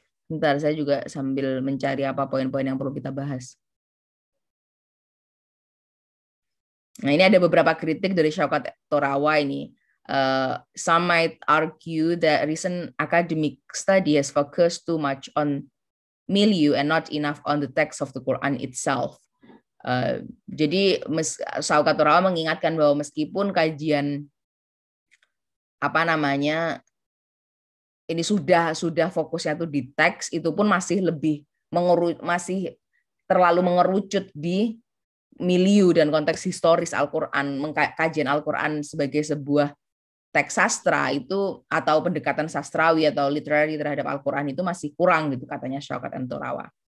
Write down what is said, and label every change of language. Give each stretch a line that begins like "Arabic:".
Indonesian: Bentar, saya juga sambil mencari apa poin-poin yang perlu kita bahas. Nah, ini ada beberapa kritik dari Shaukat Torawa ini.
English: Some might argue that recent academic study has focused too much on milieu and not enough on the text of the Quran itself.
Indonesian: Jadi, Shaukat Torawa mengingatkan bahwa meskipun kajian apa namanya ini sudah fokusnya tuh di teks, itu pun masih lebih masih terlalu mengerucut di milieu dan konteks historis Al-Qur'an, kajian Al-Qur'an sebagai sebuah teks sastra itu atau pendekatan sastrawi atau literary terhadap Al-Qur'an itu masih kurang gitu katanya Shaukat Torawa.